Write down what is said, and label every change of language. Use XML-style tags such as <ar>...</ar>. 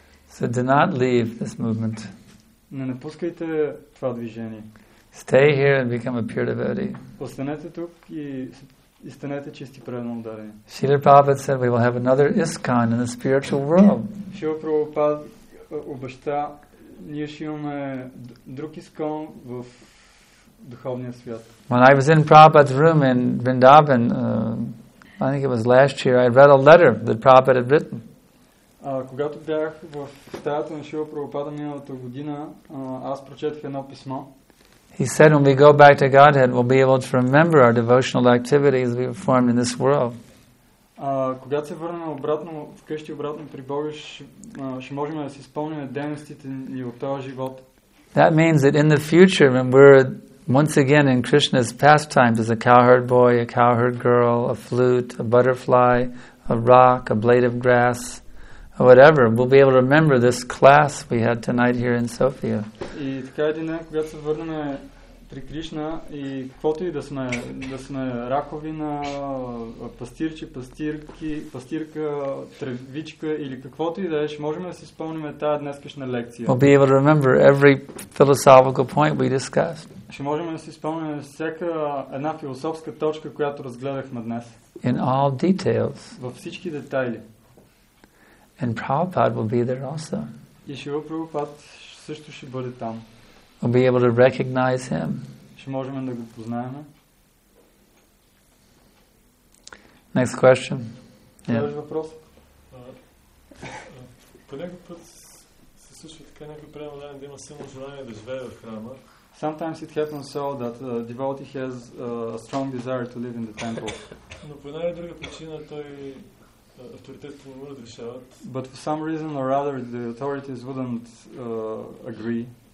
<en>So do not leave this movement.</en> <bg>Не напускайте това движение.</bg> <en>Stay here and become a pure devotee.</en> <bg>Останете тук и станете чисти преданно дарени.</bg> <en>Srila Prabhupada said we will have another ISKCON in the spiritual world.</en> <bg>Srila Prabhupada обеща, ние ще имаме друг ISKCON в духовния свят.</bg> <en>When I was in Prabhupada's room in Vrindavan, I think it was last year, I read a letter that Prabhupada had written.</en> <bg>Когато бях в стаята на Шрила Прабхупада миналата година, аз прочетах едно писмо.</bg> <en>He said, when we go back to Godhead, we'll be able to remember our devotional activities we performed in this world.</en> <bg>Когато се върнем обратно вкъщи, обратно при Бога, ще можем да си спомним дейностите ни от този живот.</bg> <en>That means that in the future, when we're once again in Krishna's pastimes as a cowherd boy, a cowherd girl, a flute, a butterfly, a rock, a blade of grass, or whatever, we'll be able to remember this class we had tonight here in Sofia.</en> <bg>И така един ден, когато се върнем при Кришна и каквото и да сме, да сме раковина, пастирчи, пастирки, пастирка, тревичка или каквото и да е, ще можем да си спомним тая днескашна лекция.</bg> <en>We'll be able to remember every philosophical point we discussed.</en> <bg>Ще можем да си спомним всяка една философска точка, която разгледахме днес.</bg> <en>In all details.</en> <bg>Във всички детайли.</bg> <en>And Prabhupada will be there also.</en> <bg>И Шрила Прабхупада също ще бъде там.</bg> <en>We'll be able to recognize him.</en> <bg>Ще можем да го познаем.</bg> <en>Next question.</en> <bg>Следващ въпрос. Понякога път се случва така някакво приема да има силно желание да живее в храма.</bg> <en>Sometimes it happens so that a devotee has a strong desire to live in the temple.</en> <bg>Но по една или друга причина той авторитетите не му разрешават.</bg> <en>But for some reason or other the authorities wouldn't agree.</en>